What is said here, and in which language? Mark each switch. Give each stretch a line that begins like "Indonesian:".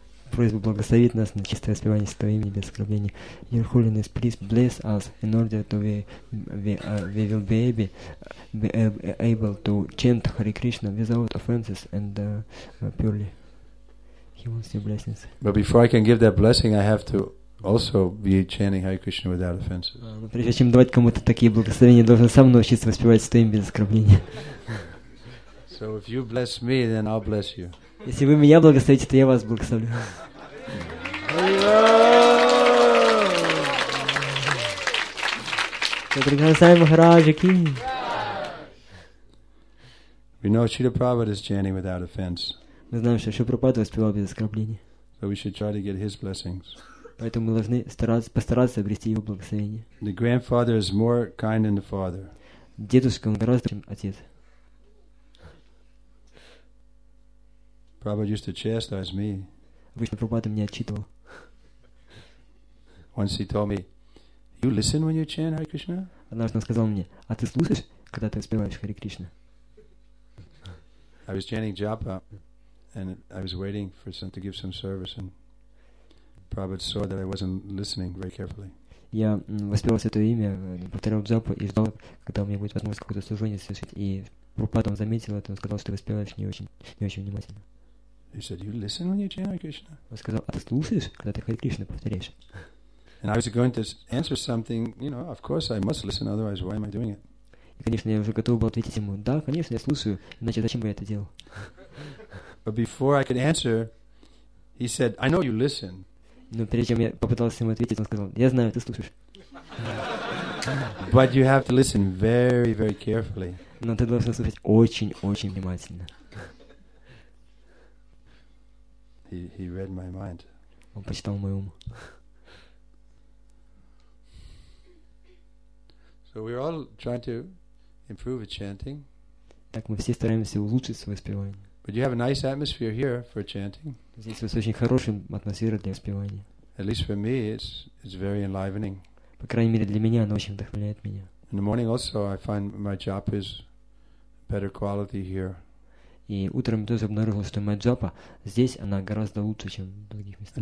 Russian: просьбу благословить нас на чистое воспевание Святого имени без оскорбления.
English: Your Holiness, please bless us in order to we will be able to chant Hare Krishna without offenses and purely. He wants your blessings. But before I can give that blessing, I have to also be chanting Hare Krishna without offenses.
Russian: Прежде чем давать кому-то такие благословения, должен сам научиться воспевать Святое имя без оскорбления.
English: So if you bless me, then I'll bless you.
Russian: Если вы меня благословите, то я вас благословлю. Приглашаем Махараджа ки.
English: We know Śrīla Prabhupāda is chanting without offense.
Russian: Мы знаем, что Śrīla Prabhupāda воспевал без оскорбления.
English: So we should try to get his blessings.
Russian: Поэтому мы должны постараться обрести его благословение.
English: The grandfather is more kind than the father.
Russian: Дедушка гораздо, чем отец.
English: Prabhupada used to chastise me.
Russian: Обычно Прабхупада меня отчитывал.
English: Once he told me, you listen when you chant Hare Krishna?
Russian: Однажды он сказал мне, а ты слушаешь, когда ты воспеваешь Hare Krishna?
English: I was chanting japa, and I was waiting for someone to give some service, and Prabhupada saw that I wasn't listening very carefully.
Russian: Я воспевал Святое имя, повторял джапу и ждал, когда у меня будет возможность какое-то служение совершить. И Прабхупада заметил это, он сказал, что ты воспеваешь не очень внимательно.
English: He said, "You listen when you chant Hare Krishna."
Russian: Он сказал, а ты слушаешь, когда ты Hare Krishna повторяешь?
English: And I was going to answer something, you know, of course I must listen, otherwise why am I doing it?
Russian: И, конечно, я уже готов был ответить ему, да, конечно, я слушаю, иначе зачем бы я это делал?
English: But before I could answer, he said, "I know you listen."
Russian: Но прежде чем я попытался ему ответить, он сказал, я знаю, ты слушаешь.
English: But you have to listen very, very carefully.
Russian: Но ты должен слушать очень-очень внимательно.
English: He read my mind.
Russian: Он почитал мой ум.
English: So we're all trying to improve the chanting.
Russian: Так мы все стараемся улучшить свое воспевание.
English: But you have a nice atmosphere here for chanting.
Russian: Здесь у вас очень хорошая атмосфера для воспевания.
English: At least for me, it's very enlivening.
Russian: По крайней мере для меня оно очень вдохновляет меня.
English: In the morning also, I find my japa is better quality here.
Russian: И утром я тоже обнаружил, что моя джапа здесь, она гораздо лучше, чем в других местах.